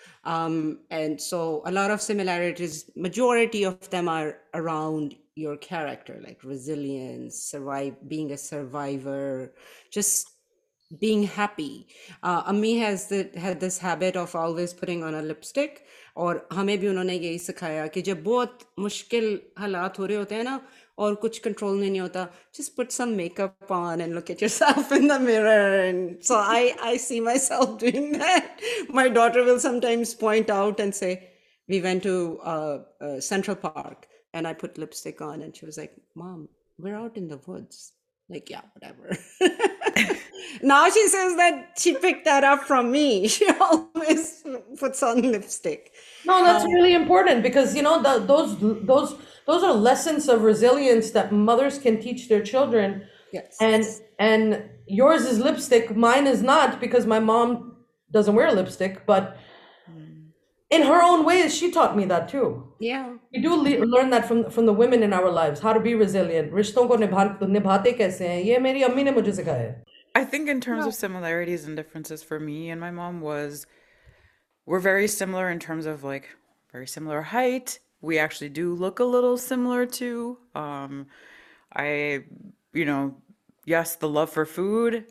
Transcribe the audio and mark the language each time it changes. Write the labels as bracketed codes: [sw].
[en] And so a lot of similarities, majority of them are around your character, like resilience, being a survivor, just being happy. Ami had this habit of always putting on a lipstick. [hi] और हमें भी उन्होंने यही सिखाया कि जब बहुत मुश्किल हालात हो रहे होते हैं ना और कुछ कंट्रोल नहीं होता, [en] Just put some makeup on and look at yourself in the mirror. And so I see myself doing that. My daughter will sometimes point out and say we went to Central Park and I put lipstick on and she was like mom we are out in the woods like yeah whatever. Now she says that she picked that up from me. She always puts on lipstick. No, that's really important because, you know, those are lessons of resilience that mothers can teach their children. Yes. And yours is lipstick. Mine is not because my mom doesn't wear lipstick. But in her own ways, she taught me that too. Yeah. We do learn that from the women in our lives, how to be resilient. [hi] रिश्तों को निभाते कैसे हैं? ये मेरी अम्मी ने मुझे सिखाया. [en] I think in terms of similarities and differences for me and my mom we're very similar in terms of like very similar height. We actually do look a little similar too. I, you know, yes, the love for food.